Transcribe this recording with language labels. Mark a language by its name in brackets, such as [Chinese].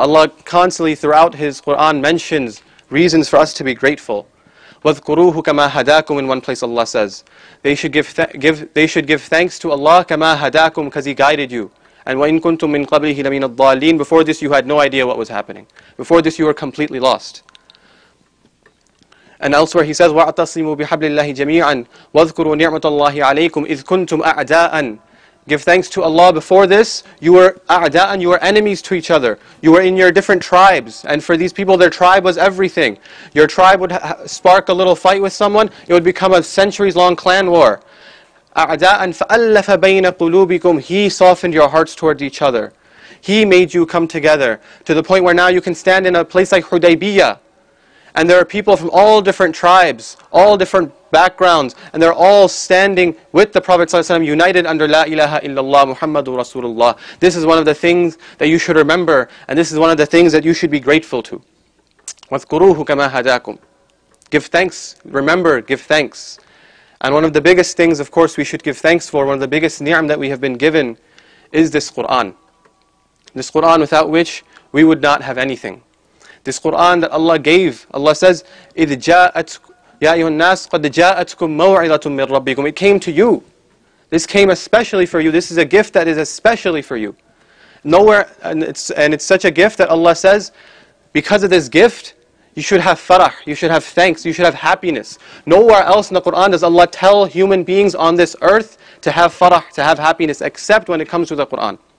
[English] Allah constantly throughout His Quran mentions reasons for us to be grateful. [Arabic] وَذْكُرُوهُ كَمَا هَدَاكُمْ [English] in one place Allah says. They should give thanks to Allah [Arabic] كَمَا هَدَاكُمْ [English] because He guided you. And [Arabic] وَإِنْ كُنْتُمْ مِنْ قَبْلِهِ لَمِنَ الضَّالِينَ [English] before this you had no idea what was happening. Before this you were completely lost. And elsewhere he says, [Arabic] وَعَتَصِّمُوا بِحَبْلِ اللَّهِ جَمِيعًا وَذْكُرُوا نِعْمَةَ اللَّهِ عَلَيْكُمْ إِذْ كُنْتُمْ أَعْدَاءً. [English] Give thanks to Allah, before this you were a'da'an, you were enemies to each other. You were in your different tribes, and for these people their tribe was everything. Your tribe would spark a little fight with someone, it would become a centuries long clan war. [Arabic] A'da'an fa'allafa bayna qulubikum, [English] He softened your hearts towards each other. He made you come together to the point where now you can stand in a place like Hudaybiyah, and there are people from all different tribes, all different backgrounds, and they're all standing with the Prophet ﷺ, united under La ilaha illallah Muhammadur Rasulullah. This is one of the things that you should remember, and this is one of the things that you should be grateful to. [Arabic] وَذْكُرُوهُ كَمَا هَدَاكُمْ. [English] Give thanks, remember, give thanks. And one of the biggest things, of course, we should give thanks for, one of the biggest ni'am that we have been given, is this Quran. This Quran without which we would not have anything. This Quran that Allah gave, Allah says, [Arabic] إِذْ جَاءَتْكُمْ يَا أَيُّهَا النَّاسُ قَدْ جَاءَتْكُمْ مَوْعِظَةٌ مِّن رَبِّكُمْ. [English] It came to you. This came especially for you. This is a gift that is especially for you. Nowhere, and it's such a gift that Allah says, because of this gift, you should have farah, you should have thanks, you should have happiness. Nowhere else in the Quran does Allah tell human beings on this earth to have farah, to have happiness, except when it comes to the Quran.